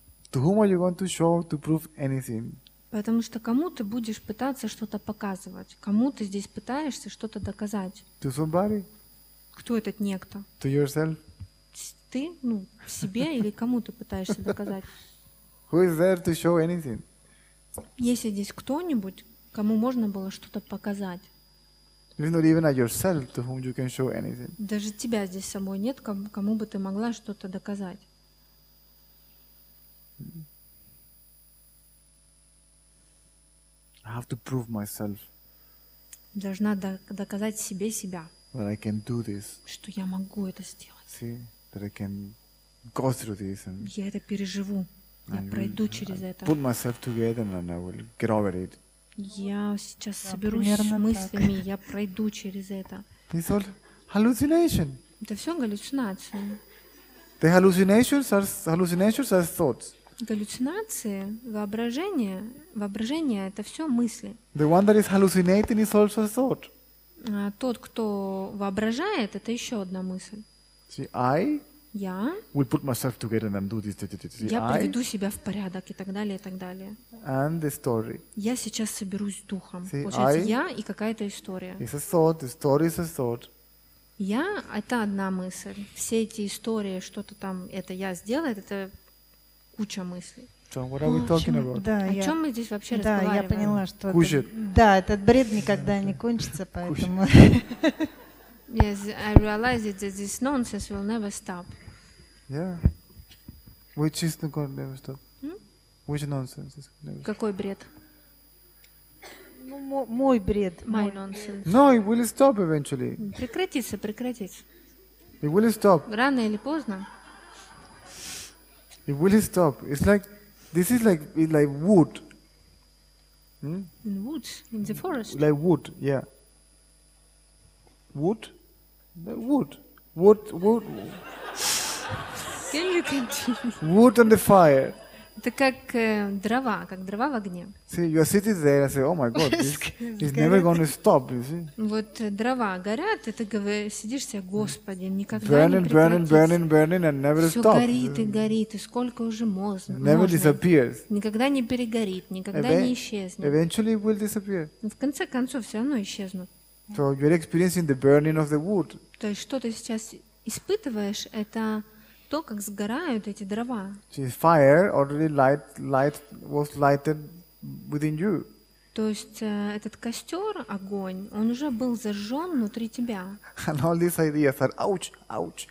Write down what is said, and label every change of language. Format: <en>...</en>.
<en>To whom are you going to show to prove anything?</en> <ru>Потому что кому ты будешь пытаться что-то показывать? Кому ты здесь пытаешься что-то доказать?</ru> <en>To somebody?</en> <ru>Кто этот некто?</ru> <en>To yourself?</en> <ru>Ты, ну, себе или кому ты пытаешься доказать?</ru> <en>Who is there to show anything?</en> <ru>Есть ли здесь кто-нибудь, кому можно было что-то показать?</ru> <en>It's not even at yourself to whom you can show anything.</en> <ru>Даже тебя здесь самой нет, кому бы ты могла что-то доказать.</ru> <en>I have to prove myself.</en> <ru>Должна доказать себе себя.</ru> <en>That I can do this.</en> <ru>Что я могу это сделать.</ru> <en>See, that I can go through this and</en> <ru>я это переживу. Я пройду через это.</ru> <en>Put myself together and I will get over it.</en> <ru>Я сейчас соберусь с мыслями, так. Я пройду через это.</ru> <en>It's all hallucination.</en> <ru>Это все галлюцинации.</ru> <en>The hallucinations are thoughts.</en> <ru>Галлюцинации, воображение, воображение — это все мысли.</ru> <en>The one that is hallucinating is also thought.</en> <ru>А тот, кто воображает, это еще одна мысль.</ru> <en>See, I</en> <ru>я</ru> <en>will put myself together and do this. See,</en> <ru>я приведу себя в порядок и так далее, и так далее.</ru> <en>And the story.</en> <ru>Я сейчас соберусь с духом.</ru> <en>See,</en> <ru>получается,</ru> <en>I</en> <ru>я и какая-то история.</ru> <en>It's a thought. The story is a thought.</en> <ru>Я — это одна мысль. Все эти истории, что-то там, это я сделает, это куча мыслей.</ru> <en>So what are we talking about?</en> <ru>Да, о чем мы здесь вообще да, разговариваем? Да, я поняла, что кушает. Это, да, этот бред никогда не кончится, поэтому...</ru> <en>Yes, I realize it that this nonsense will never stop. Yeah. Which is not going to never stop? Hmm? Which nonsense is never stop?</en> <ru>Какой бред? Ну, мой бред.</ru> <en>My nonsense. No, it will stop eventually.</en> <ru>Прекратится, прекратится.</ru> <en>It will stop.</en> <ru>Рано или поздно.</ru> <en>It will stop. It's like, this is like, it's like wood. Hmm? In woods, in the forest. Like wood, yeah. Wood? Wood. Wood. Can you continue? Wood on the fire.</en> <ru>Это как дрова, как дрова в огне.</ru> <en>See, you're sitting there and say, oh my God, this is never going to stop, you see.</en> <ru>Вот дрова горят, и ты сидишь себе, Господи, никогда</ru> <en>burning,</en> <ru>не прекратится.</ru> <en>Burning, burning, burning, and never</en> <ru>Все</ru> <en>stops.</en> <ru>Горит и горит, и сколько уже можно.</ru> <en>Never disappears.</en> <ru>Никогда не перегорит, никогда не исчезнет.</ru> <en>Eventually it will disappear.</en> <ru>В конце концов, все равно исчезнут.</ru> <en>So you're experiencing the burning of the wood.</en> <ru>То есть, что ты сейчас испытываешь, это... то, как сгорают эти дрова.</ru> <en>Fire already light was lighted within you.</en> <ru>То есть этот костер, огонь, он уже был зажжен внутри тебя.</ru> <en>And all these ideas are, ouch, ouch,</en>